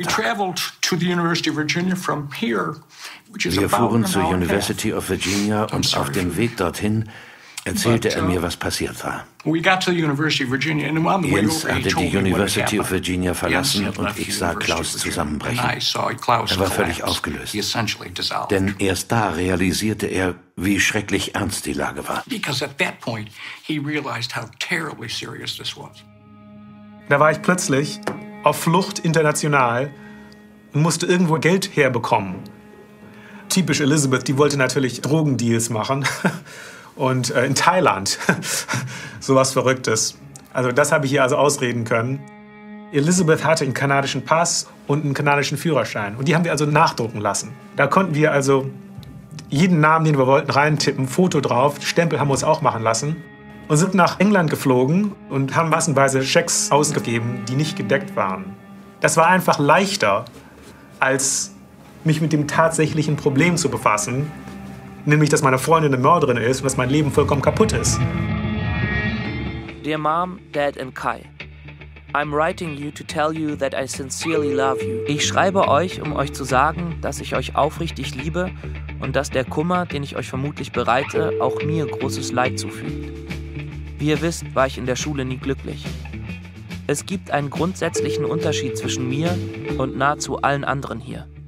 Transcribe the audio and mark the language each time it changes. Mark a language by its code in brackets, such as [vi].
[en] Tag. We traveled to the University of Virginia from here, which is [de] Wir fuhren zur University of Virginia und auf dem Weg dorthin erzählte er mir, was passiert war. [en] We got to the University of Virginia and on the Jens way [de] hatte die University of Virginia verlassen und ich sah Klaus zusammenbrechen. Er war völlig aufgelöst. Denn erst da realisierte er, wie schrecklich ernst die Lage war. [en] Because at that point he realized how terribly serious this was. [de] Da war ich plötzlich auf Flucht international und musste irgendwo Geld herbekommen. Typisch Elizabeth, die wollte natürlich Drogendeals machen. Und in Thailand, sowas Verrücktes. Also das habe ich ihr also ausreden können. Elizabeth hatte einen kanadischen Pass und einen kanadischen Führerschein. Und die haben wir also nachdrucken lassen. Da konnten wir also jeden Namen, den wir wollten, reintippen, Foto drauf. Stempel haben wir uns auch machen lassen. Und sind nach England geflogen und haben massenweise Schecks ausgegeben, die nicht gedeckt waren. Das war einfach leichter, als mich mit dem tatsächlichen Problem zu befassen, nämlich, dass meine Freundin eine Mörderin ist und dass mein Leben vollkommen kaputt ist. [en] Dear Mom, Dad and Kai, I'm writing you to tell you that I sincerely love you. [de] Ich schreibe euch, um euch zu sagen, dass ich euch aufrichtig liebe und dass der Kummer, den ich euch vermutlich bereite, auch mir großes Leid zufügt. Wie ihr wisst, war ich in der Schule nie glücklich. Es gibt einen grundsätzlichen Unterschied zwischen mir und nahezu allen anderen hier.